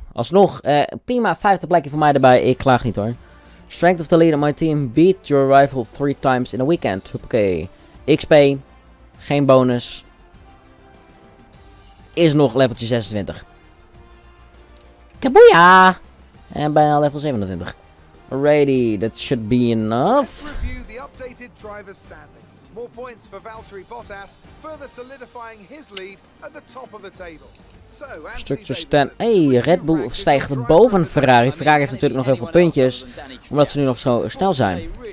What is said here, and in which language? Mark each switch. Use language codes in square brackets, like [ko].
[nl] Alsnog, prima, 50 plekje voor mij erbij. Ik klaag niet hoor. [en] Strength of the leader, my team beat your rival 3 times in a weekend. [nl] Hoppakee. XP. Geen bonus. Is nog leveltje 26. Kaboeja! En bijna level 27. [en] Alrighty, that should be enough. Let's review the updated driver standings. More points for Valtteri Bottas, further solidifying his lead at the top of the table. [nl] Structure stand. Hey, Red Bull stijgt boven Ferrari. Ferrari heeft natuurlijk nog heel veel puntjes, omdat ze nu nog zo snel zijn.